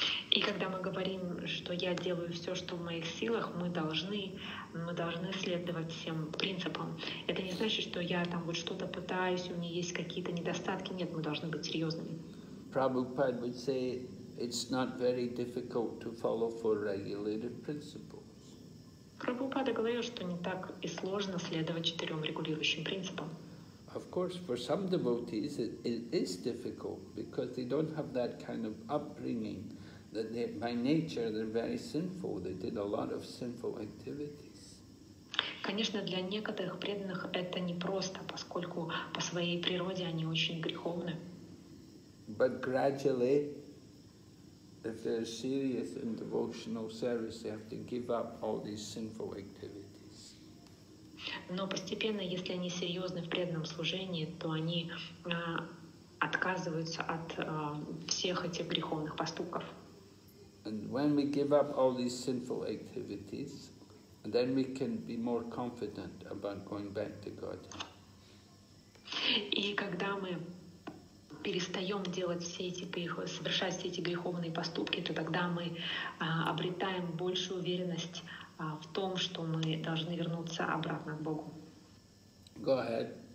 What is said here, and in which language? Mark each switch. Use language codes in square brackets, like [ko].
[ru] И когда мы говорим, что я делаю все, что в моих силах, мы должны следовать всем принципам. Это не значит, что я там вот что-то пытаюсь, у меня есть какие-то недостатки. Нет, мы должны быть серьезными. [en] Prabhupada would say, it's not very difficult to follow for regulated principles. [ru] Прабхупада говорил, что не так и сложно следовать четырем регулирующим принципам. [en] Of course, for some devotees it is difficult because they don't have that kind of upbringing. that they, by nature they're very sinful. They did a lot of sinful activities. [ru] Конечно, для некоторых преданных это непросто, поскольку по своей природе они очень греховны. [en] But gradually, if they're serious in devotional service, they have to give up all these sinful activities. [ru] Но постепенно, если они серьезны в преданном служении, то они отказываются от всех этих греховных поступков. [en] And when we give up all these sinful activities, then we can be more confident about going back to God. [ru] И когда мы перестаем делать все эти совершать все эти греховные поступки, то тогда мы обретаем большую уверенность в том, что мы должны вернуться обратно к Богу. [en] Go ahead.